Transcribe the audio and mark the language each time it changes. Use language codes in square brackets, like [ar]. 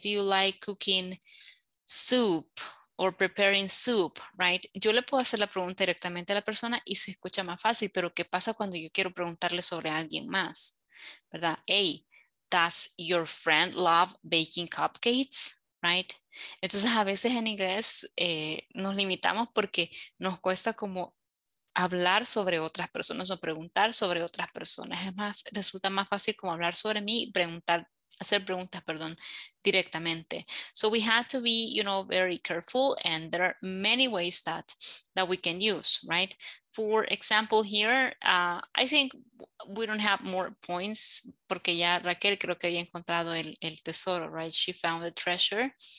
[en] Do you like cooking soup or preparing soup, right? [es] Yo le puedo hacer la pregunta directamente a la persona y se escucha más fácil, pero ¿qué pasa cuando yo quiero preguntarle sobre alguien más? ¿Verdad? [en] Hey, does your friend love baking cupcakes? Right? [es] Entonces a veces en inglés nos limitamos porque nos cuesta como hablar sobre otras personas o preguntar sobre otras personas. Es más, resulta más fácil como hablar sobre mí y preguntar hacer preguntas, perdón, directamente. [en] So we have to be, you know, very careful, and there are many ways that we can use, right? For example here, I think we don't have more points [es] porque ya Raquel creo que había encontrado el tesoro, [en] right? She found the treasure.